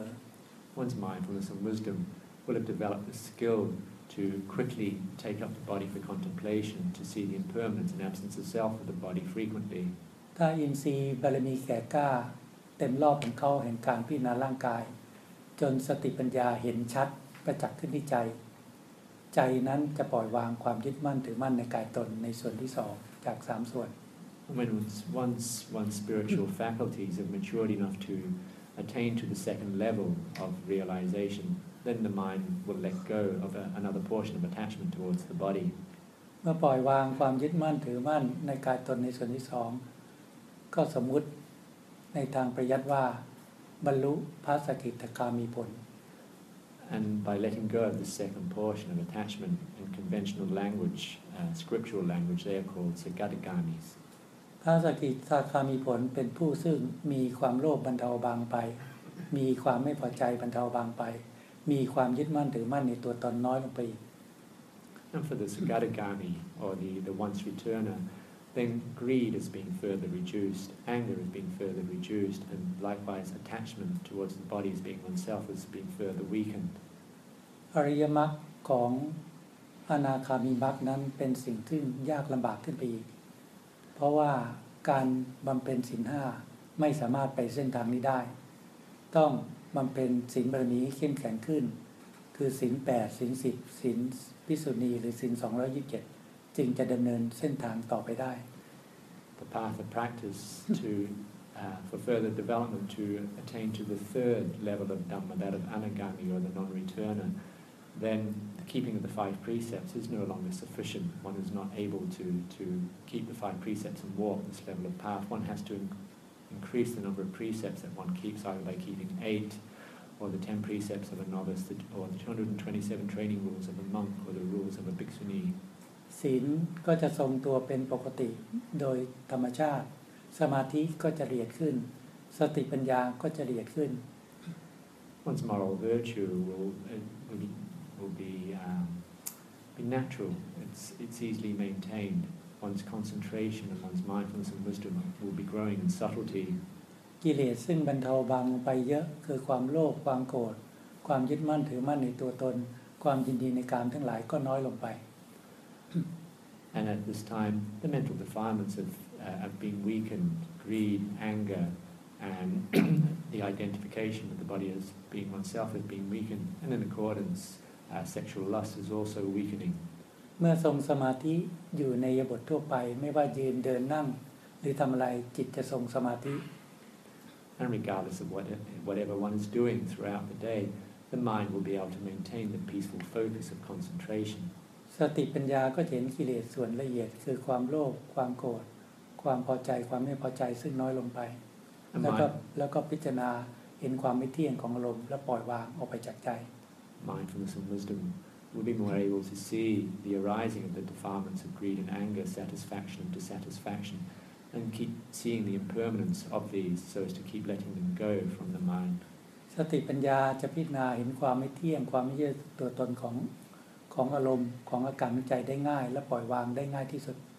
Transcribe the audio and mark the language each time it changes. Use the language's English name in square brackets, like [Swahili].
[English] อ One's mindfulness and wisdom will have developed the skillTo quickly take up the body for contemplation, to see the impermanence and absence of self of the body frequently. [Thai] ถ้าอินทรีย์บารมีแก่กล้าเต็มรอบของเขาแห่งการพิจารณาร่างกายจนสติปัญญาเห็นชัดประจักษ์ขึ้นที่ใจใจนั้นจะปล่อยวางความยึดมั่นถือมั่นในกายตนในส่วนที่สองจากสามส่วน [English] When one's spiritual faculties have matured enough to attain to the second level of realization. Then the mind will let go of another portion of attachment towards the body. [Thai] เมื่อปล่อยวางความยึดมั่นถือมั่นในกายตนในส่วนที่สองก็สมมติในทางประยัดว่าบรรลุพระสกิทาคามีผล [English] And by letting go of the second portion of attachment in conventional language, scriptural language, they are called Sagatagamis. ป [Thai] พระสกิทาคามีผลเป็นผู้ซึ่งมีความโลภบรรเทาบางไปมีความไม่พอใจบรรเทาบางไปมีความยึดมั่นถือมั่นในตัวตนน้อยลงไป [English] And for the Sagadagami or the once returner, then greed is being further reduced, anger is being further reduced, and likewise attachment towards the body as being oneself is being further weakened. [Thai] อริยมรรคของอนาคามีมรรคนั้นเป็นสิ่งที่ยากลำบากขึ้นไปอีกเพราะว่าการบำเพ็ญศีล5ไม่สามารถไปเส้นทางนี้ได้ต้องบำเพ็ญศีลบารมีเข้มแข็งขึ้นคือศีล8ศีล10ศีลภิกษุณีหรือศีล227จึงจะดำเนินเส้นทางต่อไปได้ [English] The path of practice to for further development to attain to the third level of Dhamma, that of Anagami or the non-returner, then the keeping of the five precepts is no longer sufficient. One is not able to keep the five precepts and walk this level of path. One has to increase the number of precepts that one keeps either by keeping 8 or the 10 precepts of a novice, or the 227 training rules of a monk or the rules of a bhikkhuni. [Thai] ศีลก็จะทรงตัวเป็นปกติโดยธรรมชาติสมาธิก็จะละเอียดขึ้นสติปัญญาก็จะละเอียดขึ้น [English] One's moral virtue will be natural. It's easily maintained. One's concentration and one's mindfulness and wisdom will be growing in subtlety. [Thai] กิเลสซึ่งบรรเทาบางไปเยอะคือความโลภความโกรธความยึดมั่นถือมั่นในตัวตนความยินดีในกามทั้งหลายก็น้อยลงไป [English] And at this time, the mental defilements have been weakened. Greed, anger, and the identification with the body as being oneself has been weakened. And in accordance. Sexual lust is also weakening. [Thai] เมื่อทรงสมาธิอยู่ในบททั่วไปไม่ว่ายืนเดินนั่งหรือทำอะไรจิตจะทรงสมาธิ [English] And regardless of whatever one is doing throughout the day, the mind will be able to maintain the peaceful focus of concentration. [Thai] สติปัญญาก็เห็นกิเลสส่วนละเอียดคือความโลภความโกรธความพอใจความไม่พอใจซึ่งน้อยลงไปแล้วก็พิจารณาเห็นความไม่เที่ยงของอารมณ์และปล่อยวางออกไปจากใจ [English] Mindfulness and wisdom will be more able to see the arising of the defilements of greed and anger, satisfaction and dissatisfaction, and keep seeing the impermanence of these so as to keep letting them go from the mind. [Thai] สติปัญญาจะพิจารณาเห็นความไม่เที่ยงความไม่ใช่ตัวตนของอารมณ์ของอาการใจได้ง่ายและปล่อยวางได้ง่ายที่สุด